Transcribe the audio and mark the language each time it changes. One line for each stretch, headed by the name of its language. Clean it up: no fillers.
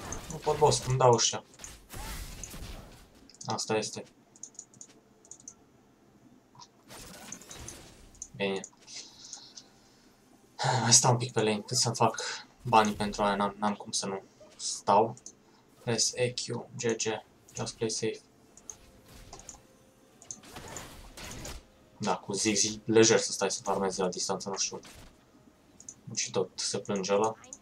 Romanian: Nu pot boss, îmi dau ușa. Asta este. Bine. Mai stau un pic pe lane, cât să-mi fac banii pentru aia, n-am cum să nu stau.
English: Press EQ, GG, just play safe.
Romanian: Da, cu Ziggy, lejer să stai să farmezi la distanță, nu știu. Nu și tot se plânge ăla.